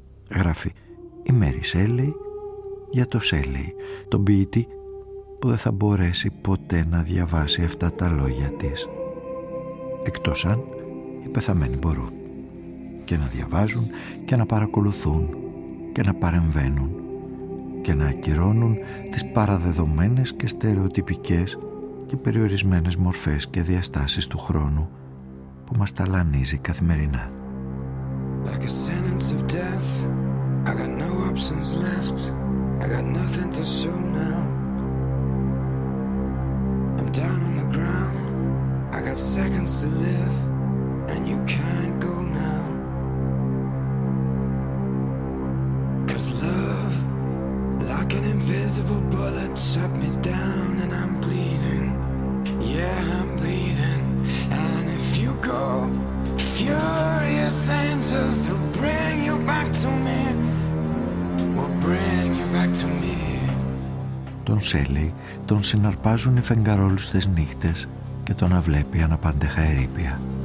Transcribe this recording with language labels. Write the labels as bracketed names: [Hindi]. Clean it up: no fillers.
[Greek] Γράφει η Μέρι Σέλεϊ για το Σέλεϊ, τον ποιητή που δεν θα μπορέσει ποτέ να διαβάσει αυτά τα λόγια της, εκτός αν οι πεθαμένοι μπορούν και να διαβάζουν και να παρακολουθούν και να παρεμβαίνουν και να ακυρώνουν τις παραδεδομένες και στερεοτυπικές και περιορισμένες μορφές και διαστάσεις του χρόνου που μας ταλανίζει καθημερινά. [English] Like a sentence of death, I got no options left, I got nothing to show now. I'm down on the ground, I got seconds to live, and you can't go now. Cause love, like an invisible bullet, shut me down and I'm bleeding. Yeah, I'm bleeding. And if you go, furious angels will bring you back to me. Will bring you back to me. [Greek] Τον Σέλεϊ τον συναρπάζουν οι φεγγαρόλουστες νύχτες και τον αβλέπει αναπάντεχα ερήπια.